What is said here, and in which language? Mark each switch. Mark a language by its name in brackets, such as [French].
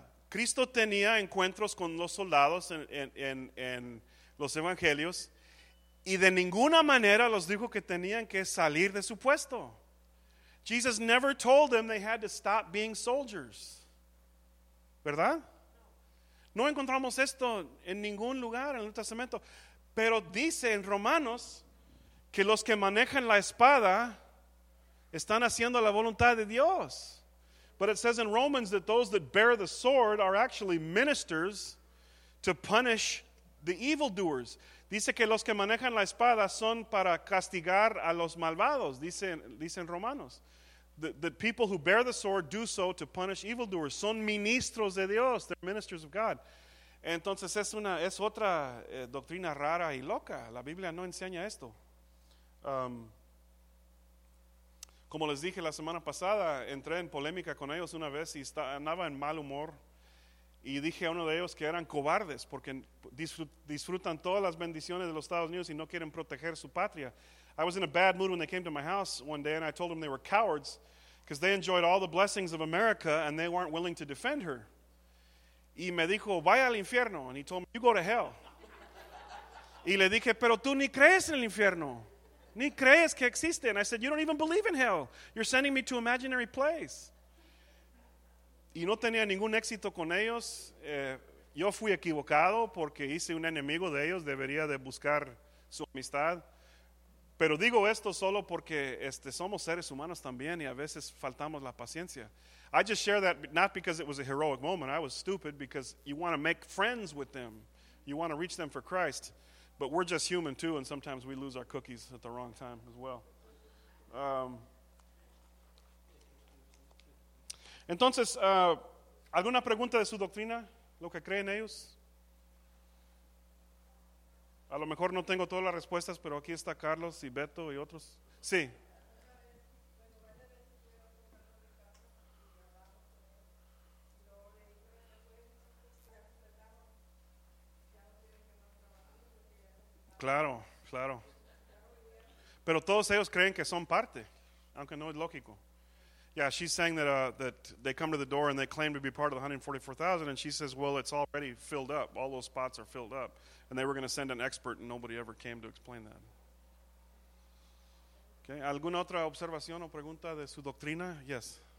[Spanish] Cristo tenía encuentros con los soldados en los evangelios. Y de ninguna manera los dijo que tenían que salir de su puesto. [English] Jesus never told them they had to stop being soldiers. [Spanish] ¿Verdad? No encontramos esto en ningún lugar en el Nuevo Testamento. Pero dice en Romanos que los que manejan la espada están haciendo la voluntad de Dios. [English] But it says in Romans that those that bear the sword are actually ministers to punish the evildoers. [Spanish] Dice que los que manejan la espada son para castigar a los malvados, dicen Romanos. [English] The people who bear the sword do so to punish evildoers. [Spanish] Son ministros de Dios. [English] They're ministers of God. [Spanish] Entonces es otra doctrina rara y loca. La Biblia no enseña esto. Como les dije la semana pasada, entré en polémica con ellos una vez y andaba en mal humor. Y dije a uno de ellos que eran cobardes porque disfrutan todas las bendiciones de los Estados Unidos y no quieren proteger su patria. [English] I was in a bad mood when they came to my house one day and I told them they were cowards because they enjoyed all the blessings of America and they weren't willing to defend her. [Spanish] Y me dijo, vaya al infierno. [English] And he told me, you go to hell. [Spanish] Y le dije, pero tú ni crees en el infierno. Ni crees que existe. [English] And I said, you don't even believe in hell. You're sending me to an imaginary place. [Spanish] Y no tenía ningún éxito con ellos. Yo fui equivocado porque hice un enemigo de ellos. Debería de buscar su amistad. Pero digo esto solo porque somos seres humanos también y a veces faltamos la paciencia. [English] I just share that not because it was a heroic moment. I was stupid because you want to make friends with them. You want to reach them for Christ. But we're just human too, and sometimes we lose our cookies at the wrong time as well. [Spanish] Entonces, ¿alguna pregunta de su doctrina? ¿Lo que creen ellos? A lo mejor no tengo todas las respuestas, pero aquí está Carlos y Beto y otros. Sí. Claro, claro. Pero todos ellos creen que son parte, aunque no es lógico. [English] Yeah, she's saying that that they come to the door and they claim to be part of the 144,000, and she says, well, it's already filled up. All those spots are filled up. And they were going to send an expert, and nobody ever came to explain that. Okay. [Spanish] ¿Alguna otra observación o pregunta de su doctrina? Yes.